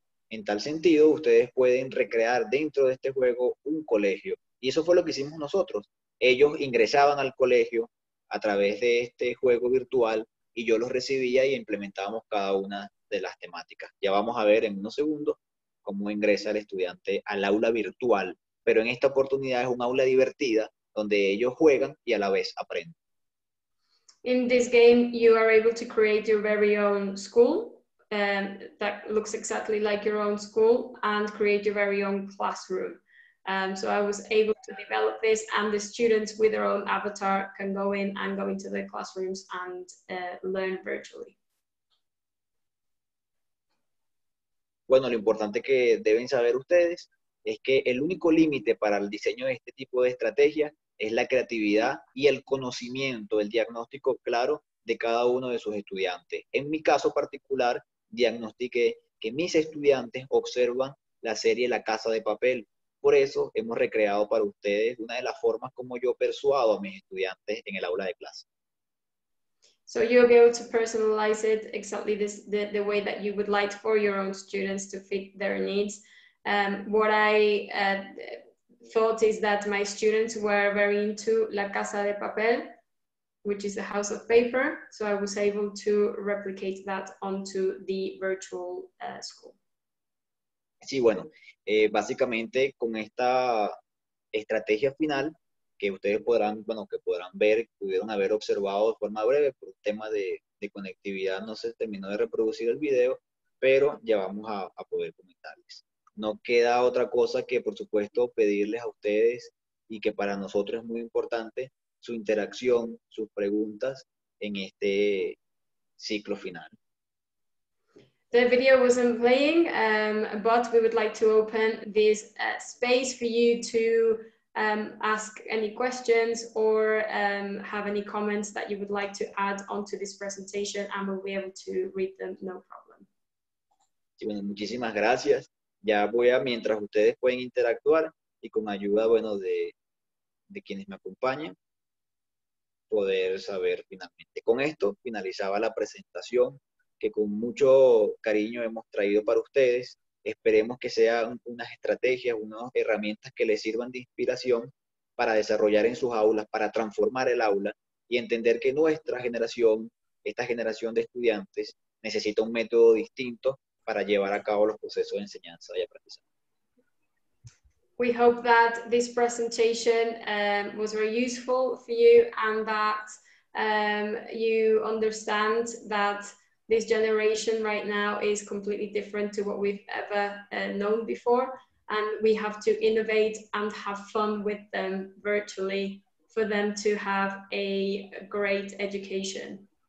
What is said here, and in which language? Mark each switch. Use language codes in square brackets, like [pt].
[es] En tal sentido, ustedes pueden recrear dentro de este juego un colegio. Y eso fue lo que hicimos nosotros. ellos ingresaban al colegio a través de este juego virtual y yo los recibía y implementábamos cada una de las temáticas. Ya vamos a ver en unos segundos cómo ingresa el estudiante al aula virtual, pero en esta oportunidad es un aula divertida donde ellos juegan y a la vez aprenden. [en] In this game, you are able to create your very own school that looks exactly like your own school and create your very own classroom. So I was able to develop this, and the students with their own avatar can go in and go into their classrooms and learn virtually. [es] Bueno, lo importante que deben saber ustedes es que el único límite para el diseño de este tipo de estrategia es la creatividad y el conocimiento, el diagnóstico claro de cada uno de sus estudiantes. En mi caso particular, diagnostiqué que mis estudiantes observan la serie La Casa de Papel. Por eso hemos recreado para ustedes una de las formas como yo persuado a mis estudiantes en el aula de clase. [en] So you'll be able to personalize it exactly this, the way that you would like for your own students to fit their needs. What I thought is that my students were very into La Casa de Papel, which is the House of Paper. So I was able to replicate that onto the virtual school. [es] Sí, bueno, básicamente con esta estrategia final, que ustedes podrán, bueno, que podrán ver, pudieron haber observado de forma breve, por un tema de conectividad no se terminó de reproducir el video, pero ya vamos a poder comentarles. No queda otra cosa que, por supuesto, pedirles a ustedes, y que para nosotros es muy importante, su interacción, sus preguntas en este ciclo final. The video wasn't playing, but we would like to open this space for you to ask any questions or have any comments that you would like to add onto this presentation, and we'll be able to read them, no problem. Sí, bueno, muchísimas gracias. Ya voy a, mientras ustedes pueden interactuar y con ayuda, bueno, de quienes me acompañen, poder saber finalmente. Con esto finalizaba la presentación que con mucho cariño hemos traído para ustedes. Esperemos que sean unas estrategias, unas herramientas que les sirvan de inspiración para desarrollar en sus aulas, para transformar el aula y entender que nuestra generación, esta generación de estudiantes, necesita un método distinto para llevar a cabo los procesos de enseñanza y aprendizaje. [en] We hope that this presentation was very useful for you, and that you understand that this generation right now is completely different to what we've ever known before, and we have to innovate and have fun with them virtually for them to have a great education.